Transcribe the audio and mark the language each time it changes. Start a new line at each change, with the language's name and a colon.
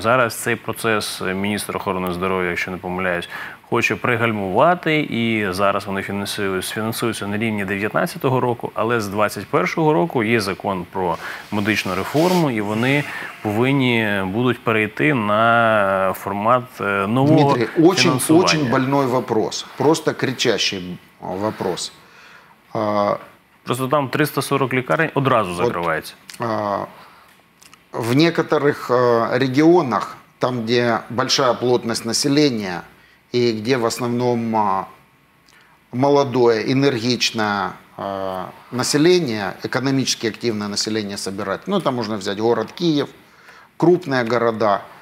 Ukrainian: Зараз цей процес міністр охорони здоров'я, якщо не помиляюсь, хоче пригальмувати, і зараз вони фінансуються на рівні 2019 року, але з 2021 року є закон про медичну реформу, і вони повинні будуть перейти на формат нового фінансування.
Russian: Дмитрий, очень больной вопрос, просто кричащий вопрос.
Ukrainian: Просто там 340 лікарень одразу закривається.
Russian: В некоторых регіонах, там, де большая плотность населення, и где в основном молодое, энергичное население, экономически активное население собирает. Ну, там можно взять город Киев, крупные города.